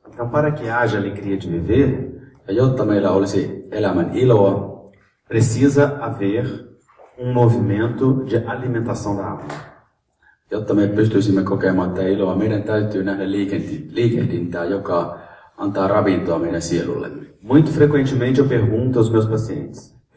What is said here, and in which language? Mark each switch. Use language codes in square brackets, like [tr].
[pt] Então para que haja alegria de viver. [fi] Ja jotta meillä olisi elämän iloa. [pt] Precisa haver movimento de alimentação da alma. [fi] Jotta me pystyisimme kokemaan tätä iloa, meidän täytyy nähdä liikehdintää, joka antaa ravintoa meidän sielullemme. [pt] Muito frequentemente eu pergunto aos meus pacientes.